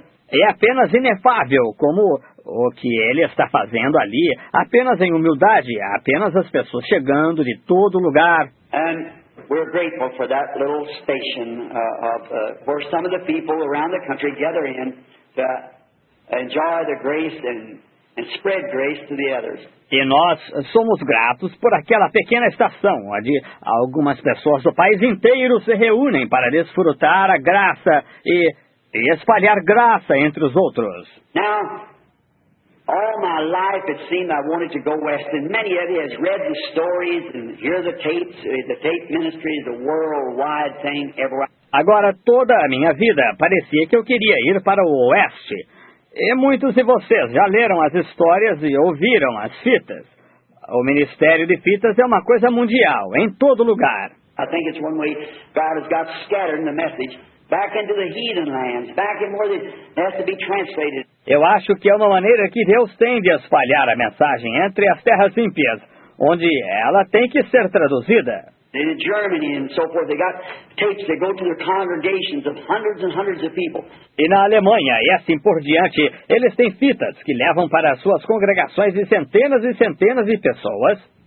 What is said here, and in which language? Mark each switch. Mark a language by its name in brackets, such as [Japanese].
[Portuguese] É apenas inefável como o que Ele está fazendo ali, apenas em humildade, apenas as pessoas chegando de todo lugar. [English] We're grateful for that little station where some of the people around the country gather in to enjoy the grace and spread grace to the others. [Portuguese] E nós somos gratos por aquela pequena estação onde algumas pessoas do país inteiro se reúnem para desfrutar a graça e espalhar graça entre os outros. [English] Now, all my life it seemed I wanted to go west, and many of you have read the stories and hear the tapes. The tape ministry is a worldwide thing. Everywhere. [Portuguese] Agora, toda a minha vida parecia que eu queria ir para o oeste. E muitos de vocês já leram as histórias e ouviram as fitas. O ministério de fitas é uma coisa mundial, em todo lugar. [English] I think it's one way God has got scattered in the message. Back into the heathen lands, back in where it has to be translated. [Portuguese] Eu acho que é uma maneira que Deus tem de espalhar a mensagem entre as terras ímpias, onde ela tem que ser traduzida. [English] In Germany and so forth, they got tapes that go to their congregations of hundreds and hundreds of people. [Portuguese] E na Alemanha e assim por diante, eles têm fitas que levam para suas congregações de centenas e centenas de pessoas.